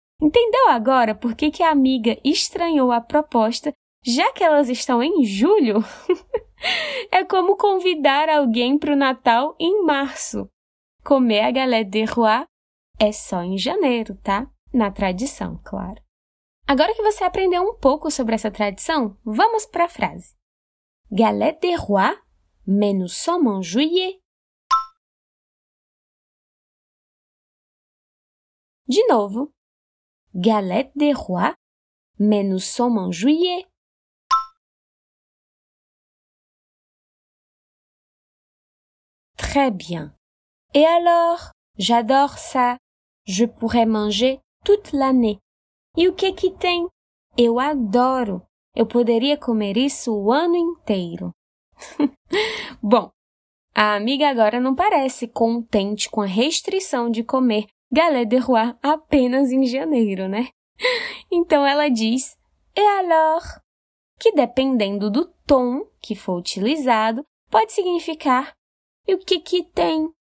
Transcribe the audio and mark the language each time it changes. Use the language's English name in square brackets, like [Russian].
[Portuguese] Entendeu agora por que, que a amiga estranhou a proposta, já que elas estão em julho? É como convidar alguém para o Natal em março. Comer a galette des rois é só em janeiro, tá? Na tradição, claro. Agora que você aprendeu um pouco sobre essa tradição, vamos para a frase. [French] Galette des rois, mais nous sommes en juillet. [Portuguese] De novo. [French] Galette des rois, mais nous sommes en juillet. Très bien. Et alors, j'adore ça. Je pourrais manger toute l'année. [Portuguese] E o que tem? Eu adoro. Eu poderia comer isso o ano inteiro. Bom, a amiga agora não parece contente com a restrição de comer galette des rois apenas em janeiro, né? Então ela diz, [French] et alors? [Portuguese] Que dependendo do tom que for utilizado, pode significar, e o que tem?